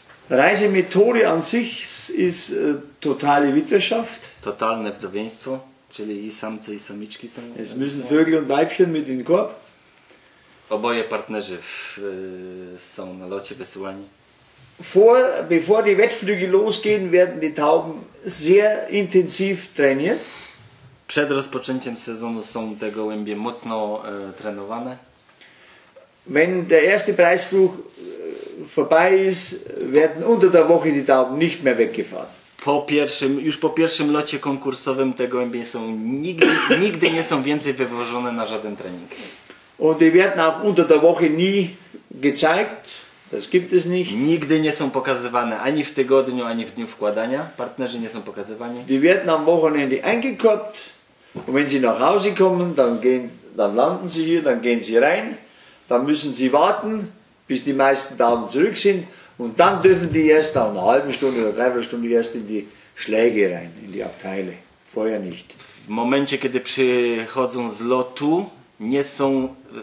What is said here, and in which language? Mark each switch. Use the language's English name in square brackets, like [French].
[German] Reisemethode an sich ist totale Witwerschaft. [Polish] Totalne wdowieństwo, czyli i samce, i samiczki są. [German] Es müssen Vögel und Weibchen mit in Korb. [Polish] Oboje partnerzy są na locie wysyłani. [German] Bevor die Wettflüge losgehen, werden die Tauben sehr intensiv trainiert. [Polish] Przed rozpoczęciem sezonu są te gołębie mocno trenowane. [German] Wenn der erste Preisflug vorbei ist, werden unter der Woche die Tauben nicht mehr weggefahren. [Polish] Już po pierwszym locie konkursowym te gołębie są nigdy nie są więcej wywożone na żaden trening. [German] Und die werden auch unter der Woche nie gezeigt. Es gibt es nicht. [Polish] Nigdy nie są pokazywane ani w tygodniu, ani w dniu wkładania. Partnerzy nie są pokazywani. [German] Die werden am Wochenende eingekoppt. Und wenn sie nach Hause kommen, dann landen sie hier, dann gehen sie rein. Dann müssen sie warten, bis die meisten Damen zurück sind. Und dann dürfen die erst nach einer halben Stunde oder dreiviertel Stunde erst in die Schläge rein, in die Abteile. Vorher nicht. [Polish] W momencie, kiedy przychodzą z lotu, nie są...